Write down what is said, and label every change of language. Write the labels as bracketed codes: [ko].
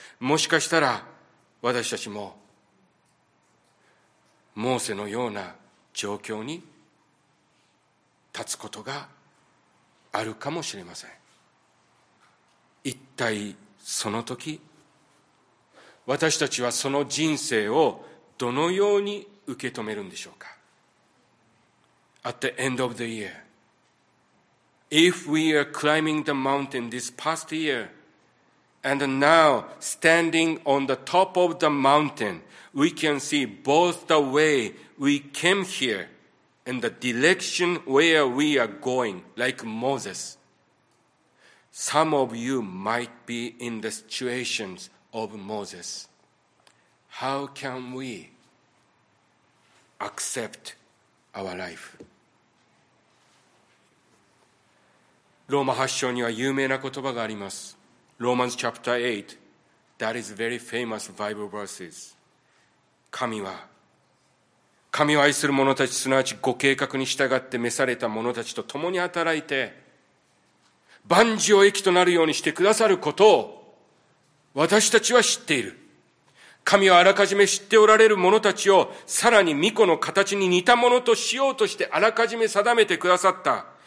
[ja] もしかしたら私たちも、モーセのような状況に立つことがあるかもしれません。一体その時私たちはその人生をどのように受け止めるんでしょうか。 [en] At the end of the year, if we are climbing the mountain this past year and now standing on the top of the mountain, we can see both the way we came here and the direction where we are going, like Moses. Some of you might be in the situations of Moses. How can we accept our life? [ja] ローマ8章には有名な言葉があります。 [en] Romans chapter 8, that is very famous Bible verses. [ja] 神を愛する者たち、すなわちご計画に従って召された者たちと共に働いて、万事を益となるようにしてくださることを私たちは知っている。神はあらかじめ知っておられる者たちをさらに御子の形に似た者としようとしてあらかじめ定めてくださった。